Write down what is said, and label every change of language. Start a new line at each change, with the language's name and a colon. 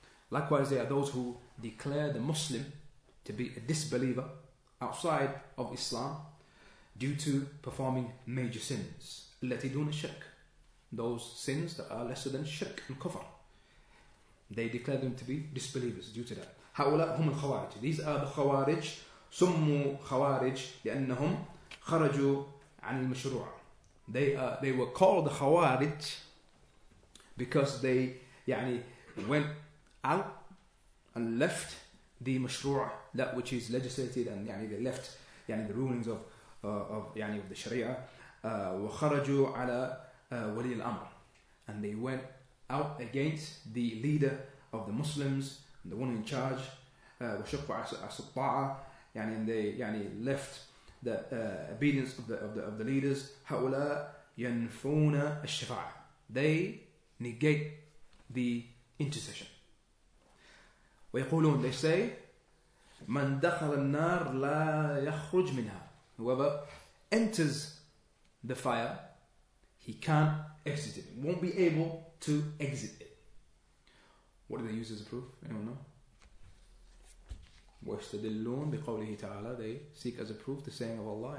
English: Likewise, they are those who declare the Muslim to be a disbeliever outside of Islam due to performing major sins.
Arabic: التي دون الشرك.
English: Those sins that are lesser than shirk and kufr. They declare them to be disbelievers due to that.
Arabic: هؤلاء هم الخوارج.
English: These are the خوارج.
Arabic: سموا خوارج لأنهم خرجوا عن المشروع.
English: They were called the خوارج because they يعني went out and left the mashru' that which is legislated, and يعني they left يعني the rulings of the sharia.
Arabic: وخرجوا على ولي الأمر,
English: and they went out against the leader of the Muslims, the one in charge.
Arabic: وشقوا على الطاعة,
English: يعني they يعني left the obedience of the leaders.
Arabic: هؤلاء ينفون الشفاعة.
English: They negate the intercession.
Arabic: ويقولون,
English: they say,
Arabic: من دخل النار لا يخرج منها.
English: Whoever enters the fire, he can't exit it. Won't be able to exit it. What do they use as a proof? Anyone know?
Arabic: واستدلون بقوله تعالى.
English: They seek as a proof the saying of Allah.